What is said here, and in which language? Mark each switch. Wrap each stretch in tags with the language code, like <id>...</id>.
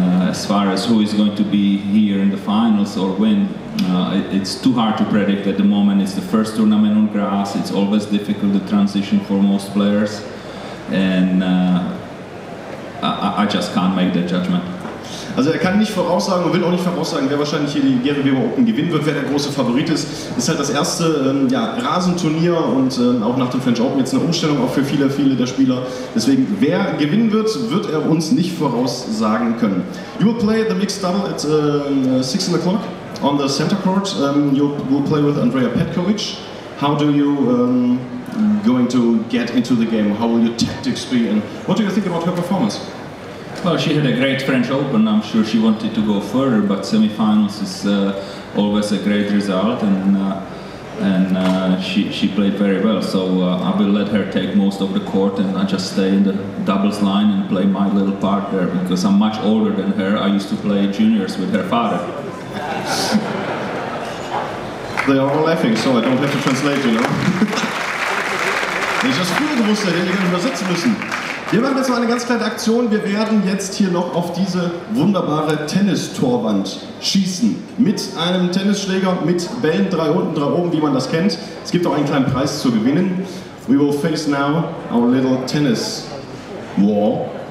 <en>As far as who is going to be here in the finals or when, it's too hard to predict at the moment. It's the first tournament on grass. It's always difficult to transition for most players. And I just can't make that judgment.</en> <de>Also er kann nicht voraussagen und will auch nicht voraussagen, wer wahrscheinlich hier die Gary Weber Open gewinnen wird, wer der große Favorit ist. Ist halt das erste Rasenturnier und auch nach dem French Open jetzt eine Umstellung auch für viele der Spieler. Deswegen, wer gewinnen wird, wird er uns nicht voraussagen können.</de> <en>You will play the mixed double at 6 o'clock on the center court. You will play with Andrea Petkovic. How do you going to get into the game? How will your tactics be? And what do you think about her performance? Well, she had a great French Open. I'm sure she wanted to go further, but semifinals is always a great result, and she played very well. So I will let her take most of the court, and I just stay in the doubles line and play my little part there, because I'm much older than her. I used to play juniors with her father. They are all laughing, so I don't have to translate, you know.</en> <de>Ich habe früher gewusst, ich hätte ihn übersetzen müssen. Wir machen jetzt mal eine ganz kleine Aktion. Wir werden jetzt hier noch auf diese wunderbare Tennistorwand schießen. Mit einem Tennisschläger, mit Bällen, drei unten, drei oben, wie man das kennt. Es gibt auch einen kleinen Preis zu gewinnen.</de> <en>We will face now our little tennis war.</en>